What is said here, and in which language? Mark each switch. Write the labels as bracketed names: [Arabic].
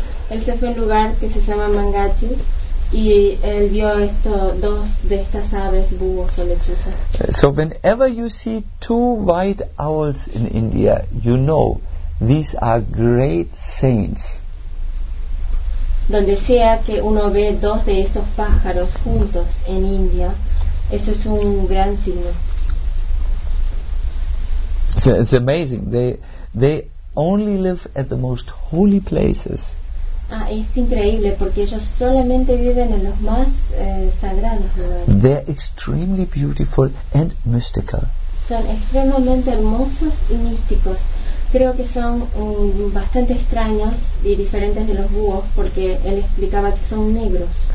[Spanish] Este fue un lugar que se llama Mamgachi y él vio dos de estas aves, búhos o lechuzas. [English] So whenever you see 2 white owls in India, you know these are great saints. [Spanish] Donde sea que uno ve 2 de estos pájaros juntos en India, eso es un gran signo. [English] It's amazing. They only live at the most holy places. [Spanish] Es increíble porque ellos solamente viven en los más sagrados lugares. [English] They're extremely beautiful and mystical. [Spanish] Son extremadamente hermosos y místicos. creo que son bastante extraños y diferentes de los búhos, porque él explicaba que son negros.